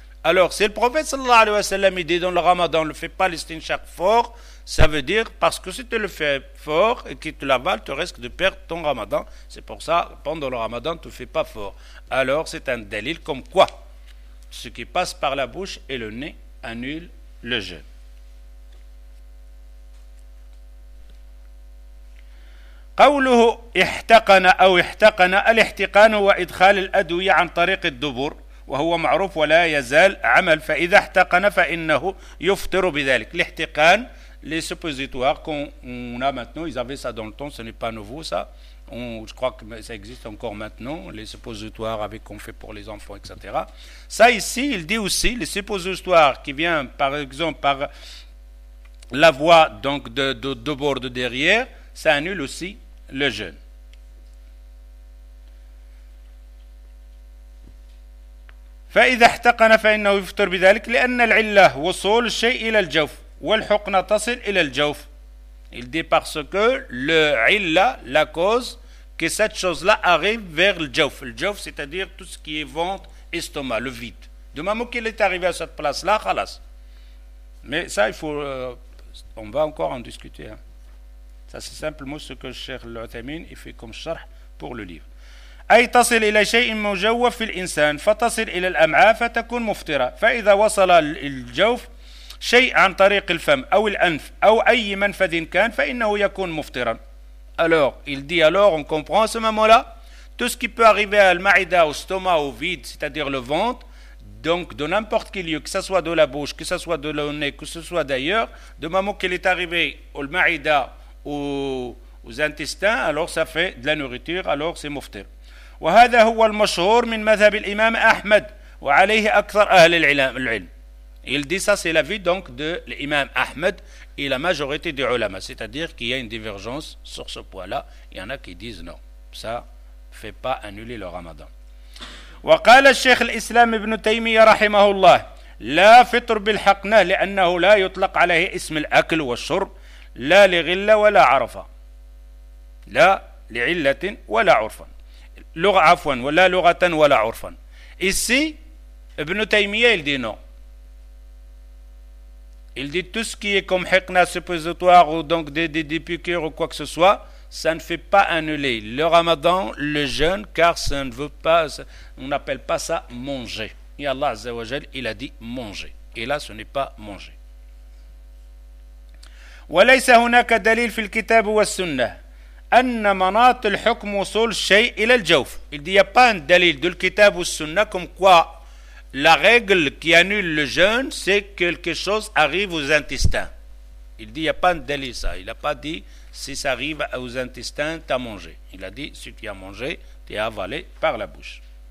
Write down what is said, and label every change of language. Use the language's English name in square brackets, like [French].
[French] Alors, si le prophète sallallahu alayhi wa sallam il dit dans le ramadan, ne fais pas l'istinchar fort, ça veut dire parce que si tu le fais fort et que tu l'avales, tu risques de perdre ton ramadan. C'est pour ça, pendant le ramadan, tu ne fais pas fort. Alors, c'est un dalil comme quoi ce qui passe par la bouche et le nez annule le jeûne. [Arabic] قوله احتقن أو احتقن، الاحتقان هو إدخال الأدوية عن طريق الدبور، وهو معروف ولا يزال عمل، فإذا احتقن فإنه يفطر بذلك. [French] الاحتقان les suppositoires qu'on a maintenant, ils avaient ça dans le temps, ce n'est pas nouveau ça. Je crois que ça existe encore maintenant, les suppositoires avec qu'on fait pour les enfants, etc. Ça ici, il dit aussi les suppositoires qui viennent par exemple par la voie donc de bord de derrière. Ça annule aussi le jeûne. [Arabic] فإذا احتقن فإنه يفطر بذلك لأن العلة وصول الشيء إلى الجوف والحقنة تصل إلى الجوف. [French] Il dit parce que le illa, la cause, que cette chose-là arrive vers le jauf. Le jauf, c'est-à-dire tout ce qui est ventre, estomac, le vide. Du moment qu'il est arrivé à cette place-là, khalas. Mais ça, il faut. On va encore en discuter. Hein. Ça, c'est simplement ce que Cheikh Al-Uthaymin il fait comme charh pour le livre. [Arabic] أي تصل إلى شيء مجوف في الإنسان فتصل إلى الأمعاء فتكون مفطرة. فإذا وصل الجوف شيء عن طريق الفم أو الأنف أو أي منفذ كان فإنه يكون مفطرا. [French] Alors, il dit alors, on comprend ce moment-là, tout ce qui peut arriver à l'maïda, au stomac, au vide, c'est-à-dire le ventre, donc de n'importe quel lieu, que ce soit de la bouche, que ce soit de le nez, que ce soit d'ailleurs, de moment qu'il est arrivé au maïda, aux intestins, alors ça fait de la nourriture, alors c'est muftir. [Arabic] وهذا هو المشهور من مذهب الإمام أحمد وعليه أكثر أهل العلم. [French] Il dit ça, c'est l'avis donc de l'imam Ahmed et la majorité des ulama. C'est-à-dire qu'il y a une divergence sur ce point-là. Il y en a qui disent non. Ça ne fait pas annuler le ramadan. [Arabic] وقال الشيخ الإسلام ابن تيمية رحمه الله لا فطر بالحقنة لأنه لا يطلق عليه اسم الأكل والشرب لا لغلة ولا عرفة لا لعلة ولا عرفا لغة عفوا ولا لغة ولا عرفا. [French] Ici, Ibn Taymiyyah, il dit non. Il dit tout ce qui est comme hikna suppositoire ou donc des piqûres ou quoi que ce soit, ça ne fait pas annuler le ramadan, le jeûne, car ça ne veut pas, on n'appelle pas ça manger. Et Allah Azza wa Jal, il a dit manger. Et là, ce n'est pas manger. [Arabic] وليس هناك دليل في الكتاب والسنة أن مناط الحكم وصول الشيء إلى الجوف. [French] Il dit, il n'y a pas un dalil du kitab ou sunna comme quoi la règle qui annule le jeûne, c'est que quelque chose arrive aux intestins. Il dit, il n'y a pas un délit ça. Il n'a pas dit, si ça arrive aux intestins, tu as mangé. Il a dit, si tu as mangé, tu es avalé par la bouche.